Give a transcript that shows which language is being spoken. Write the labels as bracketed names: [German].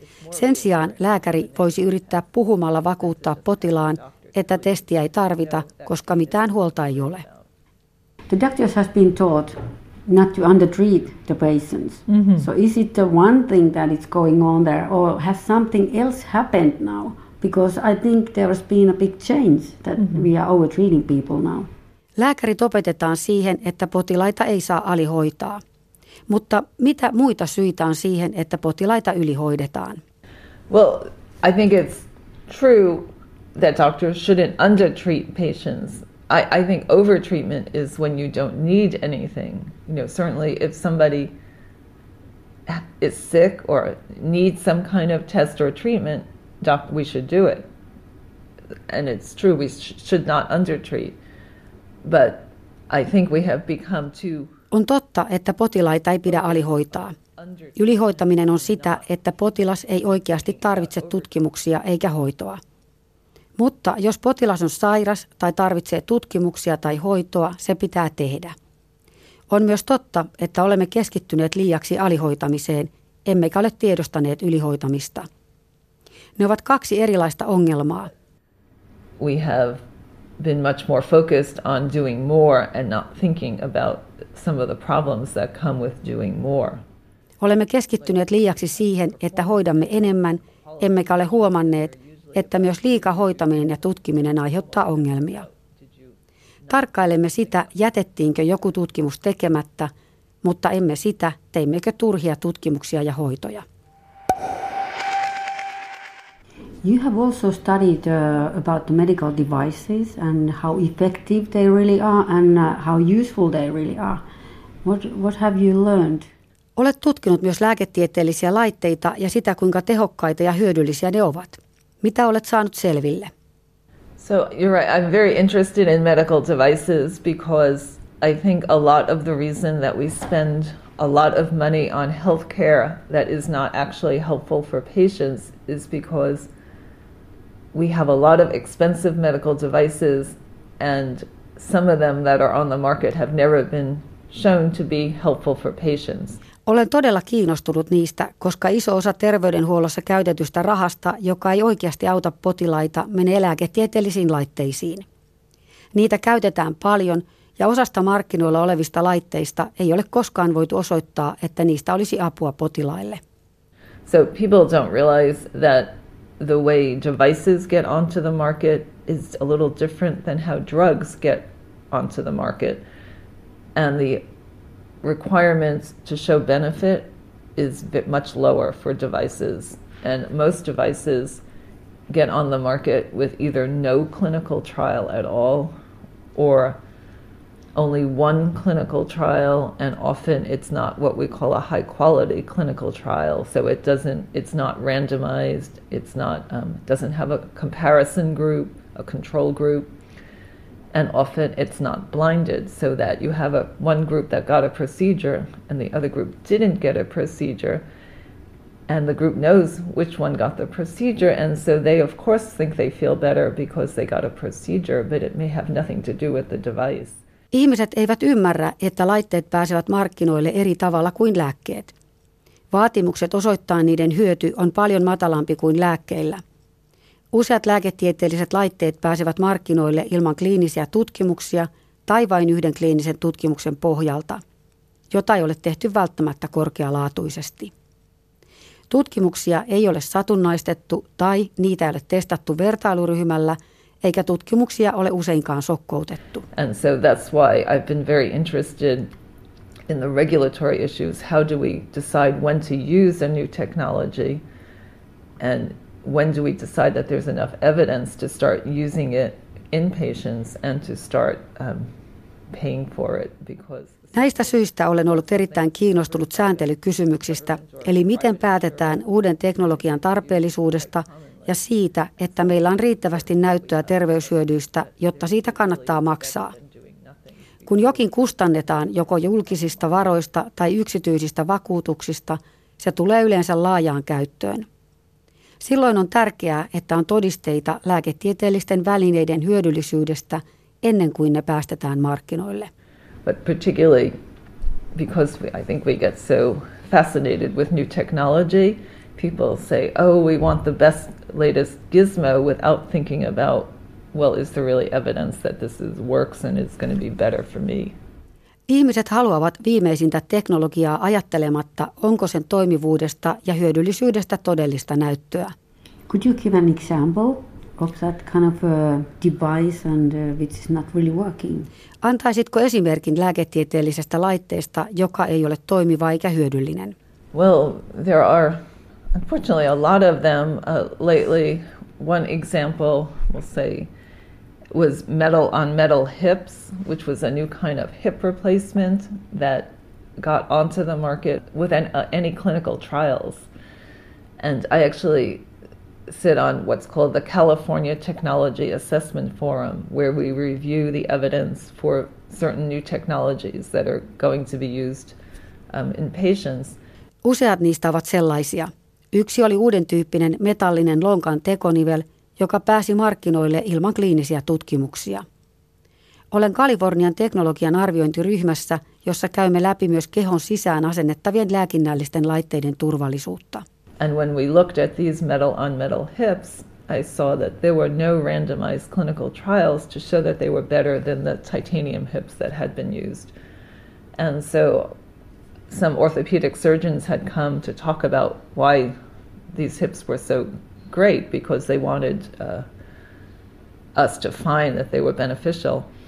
[Finnish] Sen sijaan lääkäri voisi yrittää puhumalla vakuuttaa potilaan, että testiä ei tarvita, koska mitään huolta ei ole. [English] The doctors has been taught not to undertreat the patients. Mm-hmm. So is it the one thing that is going on there, or has something else happened now? Because I think there has been a big change that we are overtreating people now. [Finnish] Lääkärit opetetaan siihen, että potilaita ei saa alihoitaa. Mutta mitä muita syitä on siihen, että potilaita ylihoidetaan? [English] Well, I think it's true that doctors shouldn't undertreat patients. I think overtreatment is when you don't need anything. You know, certainly if somebody is sick or needs some kind of test or treatment, we should do it. And it's true, we should not undertreat. But I think we have become too. [Finnish] On totta, että potilaita ei pidä alihoitaa. Ylihoitaminen on sitä, että potilas ei oikeasti tarvitse tutkimuksia eikä hoitoa. Mutta jos potilas on sairas tai tarvitsee tutkimuksia tai hoitoa, se pitää tehdä. On myös totta, että olemme keskittyneet liiaksi alihoitamiseen, emmekä ole tiedostaneet ylihoitamista. Ne ovat kaksi erilaista ongelmaa. [English] We have been much more focused on doing more and not thinking about some of the problems that come with doing more. [Finnish] Olemme keskittyneet liiaksi siihen, että hoidamme enemmän, emmekä ole huomanneet, että myös liika hoitaminen ja tutkiminen aiheuttaa ongelmia. Tarkkailemme sitä, jätettiinkö joku tutkimus tekemättä, mutta emme sitä, teimmekö turhia tutkimuksia ja hoitoja. [English] You have also studied about the medical devices and how effective they really are and how useful they really are. What have you learned? [Finnish] Olet tutkinut myös lääketieteellisiä laitteita ja sitä, kuinka tehokkaita ja hyödyllisiä ne ovat. Mitä olet saanut selville? [English] So you're right, I'm very interested in medical devices because I think a lot of the reason that we spend a lot of money on healthcare that is not actually helpful for patients is because we have a lot of expensive medical devices and some of them that are on the market have never been shown to be helpful for patients. [Finnish] Olen todella kiinnostunut niistä, koska iso osa terveydenhuollossa käytetystä rahasta, joka ei oikeasti auta potilaita, menee lääketieteellisiin laitteisiin. Niitä käytetään paljon ja osasta markkinoilla olevista laitteista ei ole koskaan voitu osoittaa, että niistä olisi apua potilaille. [English] So people don't realize that the way devices get onto the market is a little different than how drugs get onto the market. And the requirements to show benefit is much lower for devices. And most devices get on the market with either no clinical trial at all or only one clinical trial, and often it's not what we call a high quality clinical trial, so it's not randomized, it's not doesn't have a comparison group, a control group, and often it's not blinded, so that you have one group that got a procedure and the other group didn't get a procedure, And the group knows which one got the procedure, and so they of course think they feel better because they got a procedure, but it may have nothing to do with the device. [Finnish] Ihmiset eivät ymmärrä, että laitteet pääsevät markkinoille eri tavalla kuin lääkkeet. Vaatimukset osoittaa niiden hyöty on paljon matalampi kuin lääkkeillä. Useat lääketieteelliset laitteet pääsevät markkinoille ilman kliinisiä tutkimuksia tai vain yhden kliinisen tutkimuksen pohjalta, jota ei ole tehty välttämättä korkealaatuisesti. Tutkimuksia ei ole satunnaistettu tai niitä ei ole testattu vertailuryhmällä, eikä tutkimuksia ole useinkaan sokkoutettu. [English] And so that's why I've been very interested in the regulatory issues. How do we decide when to use a new technology? And when do we decide that there's enough evidence to start using it in patients and to start paying for it? Because [Finnish] näistä syistä olen ollut erittäin kiinnostunut sääntelykysymyksistä, eli miten päätetään uuden teknologian tarpeellisuudesta ja siitä, että meillä on riittävästi näyttöä terveyshyödyistä, jotta siitä kannattaa maksaa. Kun jokin kustannetaan joko julkisista varoista tai yksityisistä vakuutuksista, se tulee yleensä laajaan käyttöön. Silloin on tärkeää, että on todisteita lääketieteellisten välineiden hyödyllisyydestä ennen kuin ne päästetään markkinoille. [English] But particularly because I think we get so fascinated with new technology, people say, oh, we want the best latest gizmo without thinking about, well, is there really evidence that this is works and it's going to be better for me? [Finnish] Ihmiset haluavat viimeisintä teknologiaa ajattelematta, onko sen toimivuudesta ja hyödyllisyydestä todellista näyttöä. [English] Could you give an example of that kind of a device and which is not really working? [Finnish] Antaisitko esimerkin lääketieteellisestä laitteesta, joka ei ole toimiva eikä hyödyllinen? [English] Well, there are unfortunately a lot of them lately. One example, we'll say, was metal on metal hips, which was a new kind of hip replacement that got onto the market within any clinical trials. And I actually sit on what's called the California Technology Assessment Forum, where we review the evidence for certain new technologies that are going to be used in patients. [Finnish] Useat niistä ovat sellaisia. Yksi oli uuden tyyppinen metallinen lonkan tekonivel, joka pääsi markkinoille ilman kliinisiä tutkimuksia. Olen Kalifornian teknologian arviointiryhmässä, jossa käymme läpi myös kehon sisään asennettavien lääkinnällisten laitteiden turvallisuutta. [English] And when we looked at these metal on metal hips, I saw that there were no randomized clinical trials to show that they were better than the titanium hips that had been used. And so some orthopedic surgeons had come to talk about why these hips were so great, because they wanted us to find that they were beneficial.